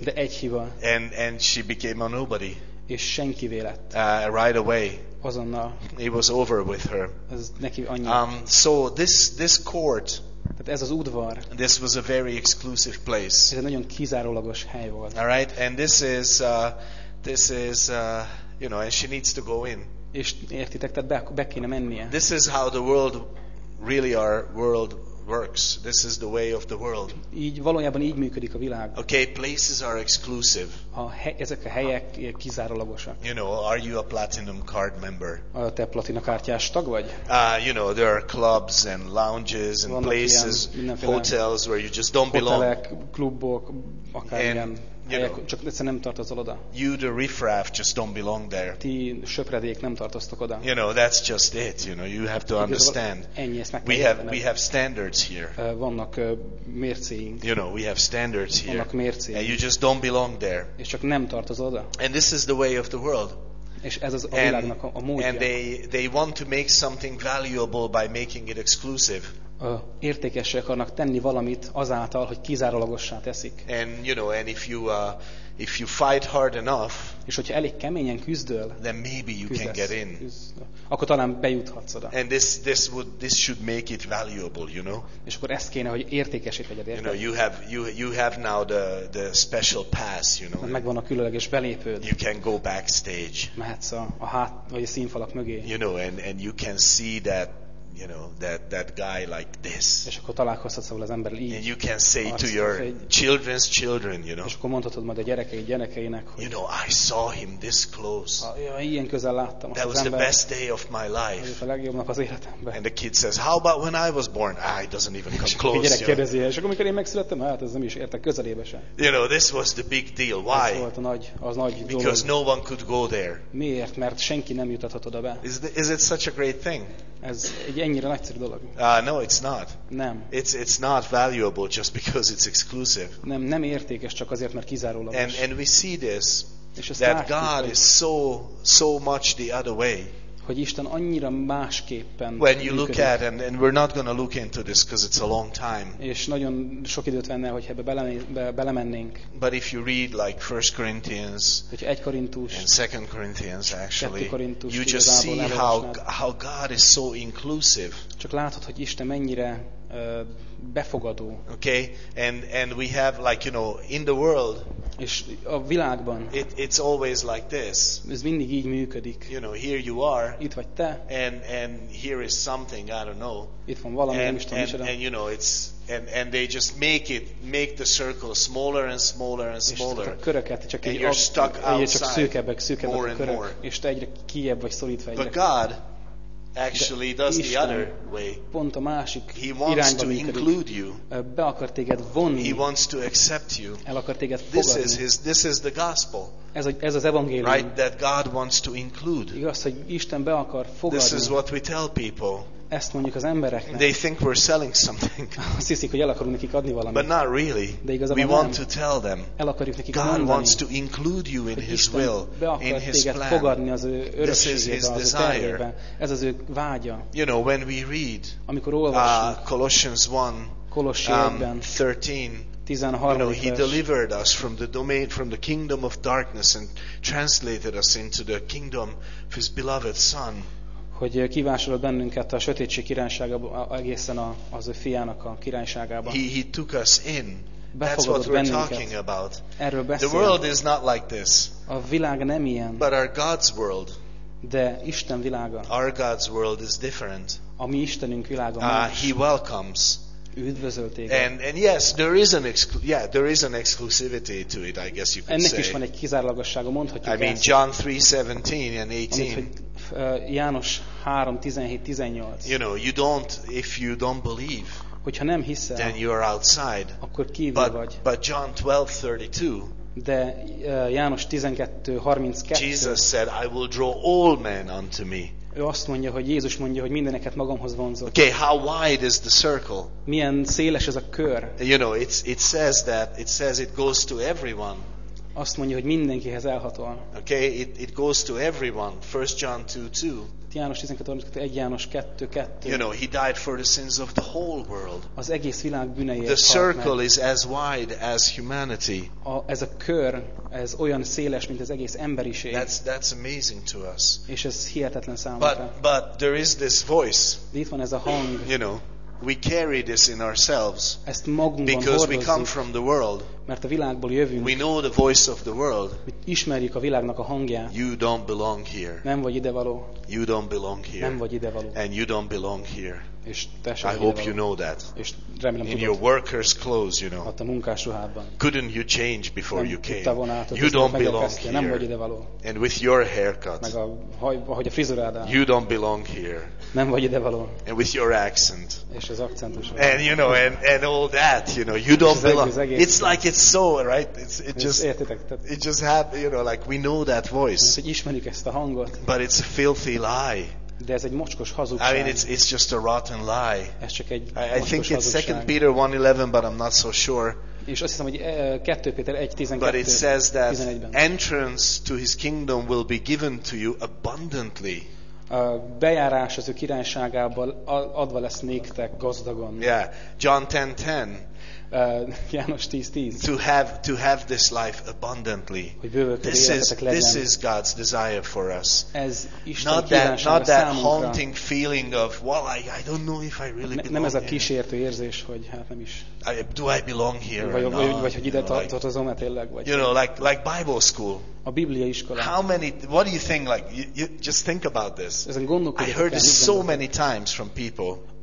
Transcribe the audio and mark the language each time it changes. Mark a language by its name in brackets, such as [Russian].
[Hungarian] De egy hiba. [English] And she became a nobody. [Hungarian] És senkivé lett. [English] Right away. [Hungarian] Azonnal. [English] It was over with her. [Hungarian] Ez neki annyi. [English] So this court. [Hungarian] Tehát ez az udvar. [English] This was a very exclusive place. [Hungarian] Ez egy nagyon kizárólagos hely volt. [English] All right, and this is you know, and she needs to go in. [Hungarian] És értitek, tehát be kéne mennie. [English] This is how the world really our world works. This is the way of the world. [Hungarian] Így valójában így működik a világ. [English] Okay, places are exclusive. [Hungarian] Ezek a helyek kizárólagosak. [English] You know, are you a platinum card member? [Hungarian] Te platina kártyás tag vagy? [English] You know, there are clubs and lounges and [Hungarian] vannak [English] places, hotels where you just don't [Hungarian] hotelek, [English] belong. [Hungarian] Klubok, akár ilyen helyek, [English] know, [Hungarian] csak egyszerűen nem tartozol oda. [English] You the riffraff just don't belong there. [Hungarian] Ti söpredék nem tartoztok oda. [English] You know, that's just it. You know, you have to understand. [Hungarian] Ennyi, ezt meg kell értened. [English] We have standards here. [Hungarian] Vannak mércéink. [English] You know, we have standards here. [Hungarian] Vannak mércéink. [English] And you just don't belong there. [Hungarian] És csak nem tartozol oda. [English] And this is the way of the world. [Hungarian] És ez az a világnak a módja. [English] And they want to make something valuable by making it exclusive. [Hungarian] Értékessé akarnak tenni valamit azáltal, hogy kizárólagossá teszik. [English] And you know, and if you fight hard enough, [Hungarian] és hogyha elég keményen küzdöl, [English] then maybe you [Hungarian] küzdesz, [English] can get in. [Hungarian] Akkor talán bejuthatsz oda. [English] And this should make it valuable, you know. [Hungarian] És akkor ezt kéne, hogy értékessé tegyed, érted? [English] You know, you have now the special pass, you know. [Hungarian] Megvan a különleges belépőd. [English] You can go backstage. [Hungarian] Mehetsz a színfalak mögé. [English] You know, and you can see that you know, that guy like this. [Hungarian] És akkor találkoztatsz az emberrel így. [English] And you can say to your children's children, you know. [Hungarian] És akkor mondhatod majd a gyerekeinek, hogy. [English] You know, I saw him this close. [Hungarian] Ilyen közel láttam az embert. [English] That was the best day of my life. [Hungarian] A legjobb nap az életemben. [English] And the kid says, how about when I was born? It doesn't even come close. [Hungarian] A gyerek kérdezi, és akkor mikor én megszülettem? Ez nem is értek közelébe sem. [English] You know, this was the big deal. Why? [Hungarian] Ez volt a nagy, az nagy dolog. [English] Because no one could go there. [Hungarian] Miért? Mert senki nem juthatott oda be. [English] Is it such a great thing? [Hungarian] Ez egy ennyire nagyszerű dolog. [English] No, it's not. [Hungarian] Nem. [English] It's not valuable just because it's exclusive. [Hungarian] Nem értékes csak azért, mert kizárólagos. [English] And we see this, that [Hungarian] látjuk, [English] God is so much the other way. [Hungarian] Hogy Isten annyira másképpen működik. [English] When you look at, and we're not going to look into this because it's a long time. [Hungarian] És nagyon sok időt venne, hogy ebbe belemennénk. [English] But if you read like 1 Corinthians, [Hungarian] hogyha 1 Korintus, [English] and 2 Corinthians actually, [Hungarian] 2 Korintus, [English] you just see how God is so inclusive. [Hungarian] Csak látod, hogy Isten mennyire befogadó. [English] Okay, and we have like, you know, in the world, [Hungarian] és a világban, [English] it's always like this. [Hungarian] Ez mindig így működik. [English] You know, here you are, [Hungarian] itt vagy te, [English] and here is something, I don't know. [Hungarian] Itt van valami, nem is tudom, micsoda. [English] And you know, it's and they just make the circle smaller and smaller and smaller. [Hungarian] És a köröket csak így szűkebbek, [English] and more. [Hungarian] És te egyre kijebb vagy szorítva egyre. [English] But God actually does the other way. [Hungarian] Pont a másik [English] He wants [Hungarian] irányba [English] to include you. [Hungarian] Be akar téged vonni. [English] He wants to accept you. [Hungarian] El akar téged fogadni. [English] This is the gospel. [Hungarian] Ez az evangélium. [English] Right, that God wants to include. [Hungarian] Igaz, hogy Isten be akar fogadni. [English] This is what we tell people. [Hungarian] Ezt mondjuk az embereknek. [English] They think we're selling something. [Hungarian] Azt hiszik, hogy el akarunk nekik adni valamit. [English] But not really. [Hungarian] De igazából [English] we [Hungarian] nem. [English] Want to tell them. [Hungarian] El akarjuk nekik [English] God [Hungarian] mondani, [English] wants to include you in His will, in His plan. [Hungarian] Fogadni az ő örökségébe, [English] this is His [Hungarian] az [English] desire. [Hungarian] Ez az ő vágya. [English] You know, when we read, [Hungarian] amikor olvassuk [English] Colossians 1, 13, you know, He delivered us from the domain, from the kingdom of darkness, and translated us into the kingdom of His beloved Son. [Hungarian] Hogy kivásárolt bennünket a sötétség királyságába, egészen az ő fiának a királyságába. [English] He took us in. That's what [Hungarian] bennünket. [English] We're talking about. [Hungarian] Erről beszélünk. [English] The world is not like this. [Hungarian] A világ nem ilyen. [English] But our God's world. [Hungarian] De Isten világa. [English] Our God's world is different. [Hungarian] A mi Istenünk világa más. [English] He welcomes. [Hungarian] Üdvözöltége. [English] And yes, there is an exclusivity to it, I guess you could [Hungarian] Ennek is van egy kizárólagossága, mondhatjuk ezt. [English] I mean, John 3:17 and 18. [Hungarian] János 3:17-18. [English] You know, you don't, if you don't believe, [Hungarian] hogyha nem hiszel, [English] then you are outside. [Hungarian] Akkor kívül vagy. [English] But John 12:32. [Hungarian] De János 12:32. [English] Jesus said, I will draw all men unto me. [Hungarian] Ő azt mondja, hogy Jézus mondja, hogy mindeneket magamhoz vonzok. [English] Okay, how wide is the circle? [Hungarian] Milyen széles ez a kör? [English] You know, it says it goes to everyone. [Hungarian] Azt mondja, hogy mindenkihez elhatol. [English] Okay, it goes to everyone. 1 John 2:2. [Hungarian] János 12:32, 1 János 2:2. [English] You know, He died for the sins of the whole world. [Hungarian] Az egész világ bűneiért. [English] The circle is as wide as humanity. [Hungarian] Ez a kör, ez olyan széles, mint az egész emberiség. [English] That's amazing to us. [Hungarian] És ez hihetetlen számunkra. [English] But there is this voice. [Hungarian] Itt van ez a hang. [English] You know, we carry this in ourselves. [Hungarian] Ezt magunkban hordozzuk. [English] Because we come from the world. [Hungarian] Mert a világból jövünk. [English] We know the voice of the world. [Hungarian] Mi ismerjük a világnak a hangját. [English] You don't belong here. [Hungarian] Nem vagy ide való. [English] You don't belong here. [Hungarian] Nem vagy ide való. [English] And you don't belong here. [Hungarian] És te sem ide való. [English] I hope you know that. [Hungarian] És remélem tudod. [English] In your workers' clothes, you know. [Hungarian] Ott a munkás ruhában. [English] Couldn't you change before [Hungarian] nem [English] you came? [Hungarian] Tudta volna átad, [English] you don't belong here. [Hungarian] Nem vagy ide való. [English] And with your haircut. [Hungarian] Meg a haj, ahogy a frizurádán. [English] You don't belong here. [Hungarian] Nem vagy ide való. [English] And with your accent. [Hungarian] És az akcentus. [English] And you know, and all that, you know, you don't belong. It's like it's so right. It just happened, you know, like we know that voice. [Hungarian] Mi ismerjük ezt a hangot. [English] But it's a filthy lie. [Hungarian] De ez egy mocskos hazugság. [English] I mean, it's just a rotten lie. [Hungarian] Ez csak egy [English] I think it's 2 Peter 1:11, but I'm not so sure. [Hungarian] És azt hiszem, hogy 2 Péter 1:12. [English] But it says that entrance to His kingdom will be given to you abundantly. [Hungarian] A bejárás az ő királyságából adva lesz néktek gazdagon. [English] Yeah, John 10:10. [Hungarian] János 10:10. [English] To have this life abundantly. This is God's desire for us. [Hungarian] Ez Isten [English] not that haunting feeling of, well, I don't know if I really belong. [Hungarian] Nem ez a kísértő érzés, hogy hát nem is. [English] Do I belong here? [Hungarian] Vagy hogy ide tartozom-e tényleg? [English] You know, like Bible school. [Hungarian] a Biblia iskolát. [English] How many, what do you think, like, you just think about this. [Hungarian] Ezen gondolkodok. [English] I heard this so many times from people.